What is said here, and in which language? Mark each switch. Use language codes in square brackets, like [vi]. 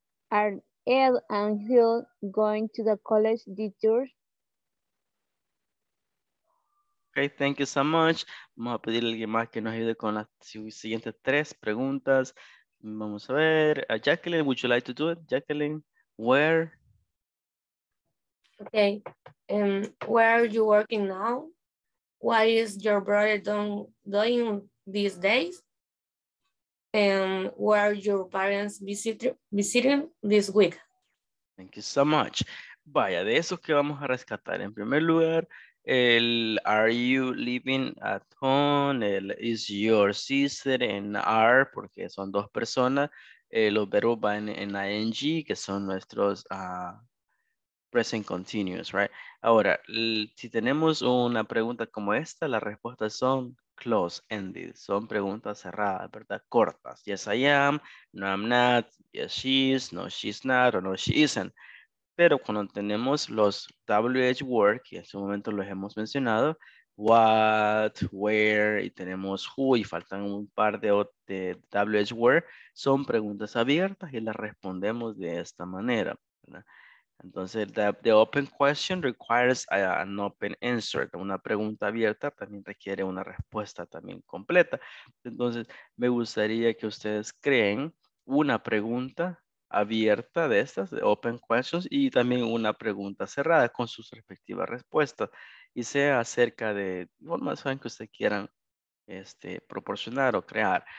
[en] Are Ed and Hill going to the college teachers? Okay, thank you so much. [es] Vamos a pedirle a alguien más que nos ayude con las siguientes tres preguntas. Vamos a ver, [en] Jacqueline, would you like to do it? Jacqueline, where? Okay, where are you working now? What is your brother doing these days? And where are your parents visiting this week? Thank you so much. [es] Vaya, de esos que vamos a rescatar en primer lugar, el [en] are you living at home, [es] el [en] is your sister, [es] en are, porque son dos personas, los verbos van en ing, que son nuestros present continuous, right? Ahora, si tenemos una pregunta como esta, las respuestas son close-ended, son preguntas cerradas, ¿verdad? Cortas. [en] Yes, I am, no, I'm not, yes, she is, no, she's not, [es] o no, [en] she isn't. [es] Pero cuando tenemos los WH words, que en su momento los hemos mencionado, what, where, y tenemos who, y faltan un par de WH words, son preguntas abiertas y las respondemos de esta manera, ¿verdad? [en] Entonces, the open question requires an open answer. [es] Una pregunta abierta también requiere una respuesta también completa. Entonces, me gustaría que ustedes creen una pregunta abierta de estas, de open questions, y también una pregunta cerrada con sus respectivas respuestas, y sea acerca de formas que ustedes quieran proporcionar o crear.